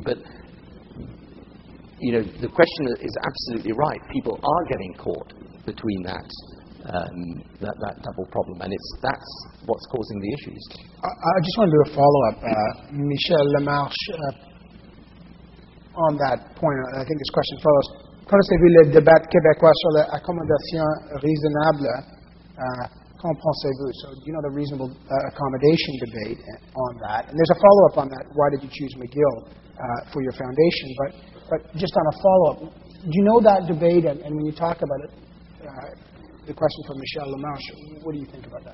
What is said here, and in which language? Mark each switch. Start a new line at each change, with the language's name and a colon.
English: But, you know, the question is absolutely right. People are getting caught between that that double problem, and that's what's causing the issues. I just want to do a follow-up. Michel Lamarche, on that point, I think this question follows.
French: Connaissez-vous le débat québécois sur l'accommodation raisonnable?
English: So, you know, the reasonable accommodation debate on that. And there's a follow-up on that. Why did you choose McGill for your foundation? But just on a follow-up, do you know that debate? And when you talk about it, the question from Michelle LaMarche. What do you think about that?